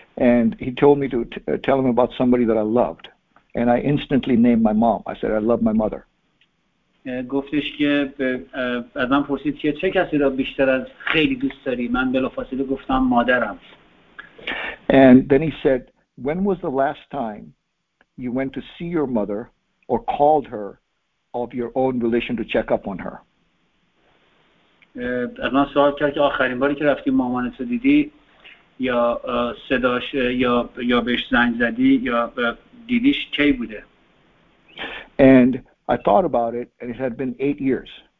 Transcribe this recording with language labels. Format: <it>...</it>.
<en>And he told me to tell him about somebody that I loved. And I instantly named my mom. I said, I love my mother.</en> <fa>گفتش که از من پرسید که چه کسی را بیشتر از خیلی دوست داری؟ من بلافاصله گفتم مادرم.</fa> <en>And then he said, when was the last time you went to see your mother or called her of your own volition to check up on her?</en> <fa>از من سوال کرد که آخرین باری که رفتی مامانت رو دیدی یا صداش یا بهش زنگ زدی یا دیدیش کی بوده؟</fa> <en>And I thought about it, and it had been 8 years.</en>